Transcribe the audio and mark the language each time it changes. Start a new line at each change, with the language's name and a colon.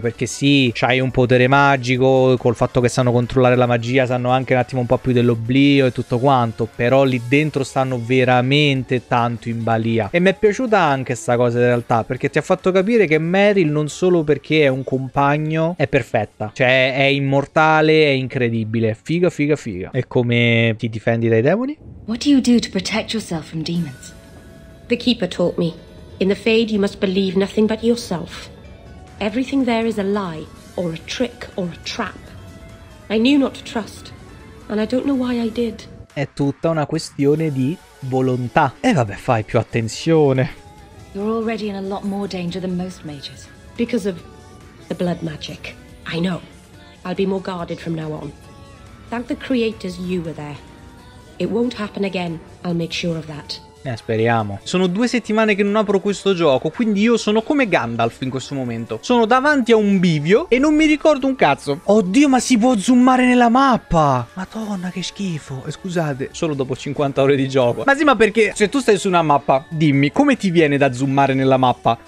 Italian: Perché sì, c'hai un potere magico, magico, col fatto che sanno controllare la magia, sanno anche un attimo un po' più dell'oblio e tutto quanto, però lì dentro stanno veramente tanto in balia. E mi è piaciuta anche sta cosa in realtà, perché ti ha fatto capire che Meryl, non solo perché è un compagno, è perfetta, cioè è immortale, è incredibile, figa figa figa. E come ti difendi dai demoni?
English: What do you do to protect yourself from demons? The keeper taught me, in the fade you must believe nothing but yourself. Everything there is a lie. Or a trick or a trap. I knew not to trust, and I don't know why I did.
Italian: È tutta una questione di volontà. E vabbè, fai più attenzione.
English: You're already in a lot more danger than most mages. Because of the blood magic. I know. I'll be more guarded from now on. Thank the creators you were there. It won't happen again, I'll make sure of that.
Italian: Speriamo. Sono 2 settimane che non apro questo gioco, quindi io sono come Gandalf in questo momento. Sono davanti a un bivio e non mi ricordo un cazzo. Oddio, ma si può zoomare nella mappa? Madonna, che schifo. Scusate, solo dopo 50 ore di gioco. Ma sì, ma perché se tu stai su una mappa, dimmi, come ti viene da zoomare nella mappa?